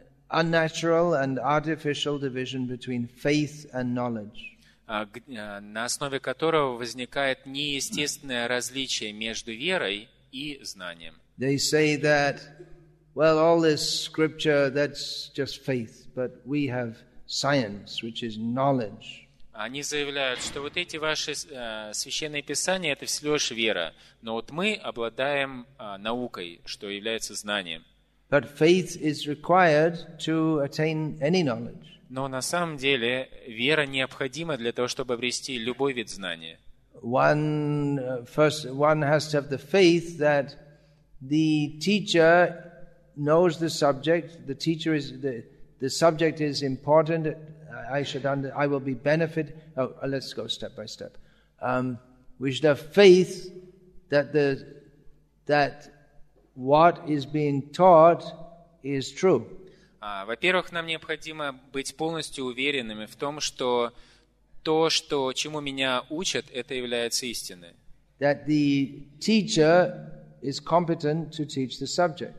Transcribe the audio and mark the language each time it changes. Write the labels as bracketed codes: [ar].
[en] Unnatural and artificial division between faith and knowledge. [ru] На основе которого возникает неестественное различие между верой и знанием. [en] They say that, well, all this scripture, that's just faith, but we have science, which is knowledge. [ru] Они заявляют, что вот эти ваши священные писания – это всего лишь вера. Но вот мы обладаем наукой, что является знанием. [en] But faith is required to attain any knowledge. [ru] Но на самом деле вера необходима для того, чтобы обрести любой вид знания. [en] One has to have the faith that the teacher knows the subject. The teacher is the subject is important. I will be benefit. Oh, let's go step by step. We should have faith that that what is being taught is true. [ru] Во-первых, нам необходимо быть полностью уверенными в том, что то, что чему меня учат, это является истиной. [en] That the teacher is competent to teach the subject.